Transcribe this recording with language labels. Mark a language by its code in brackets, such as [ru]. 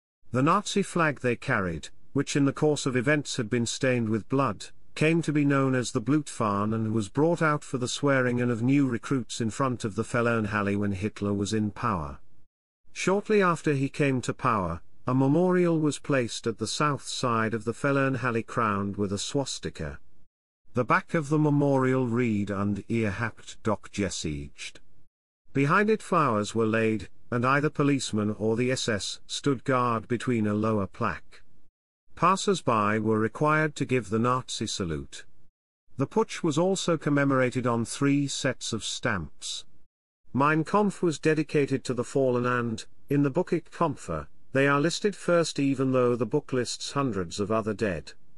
[en] The Nazi flag they carried, which in the course of events had been stained with blood, came to be known as the Blutfahne and was brought out for the swearing-in of new recruits in front of the Feldherrnhalle when Hitler was in power. Shortly after he came to power, a memorial was placed at the south side of the Feldherrnhalle crowned with a swastika. The back of the memorial read [de] "Und ihr habt doch gesiegt." [en] Behind it flowers were laid, and either policemen or the SS stood guard between a lower plaque. Passers-by were required to give the Nazi salute. The putsch was also commemorated on 3 sets of stamps. Mein Kampf was dedicated to the fallen and, in the book Ich Kämpfe, they are listed first even though the book lists hundreds of other dead.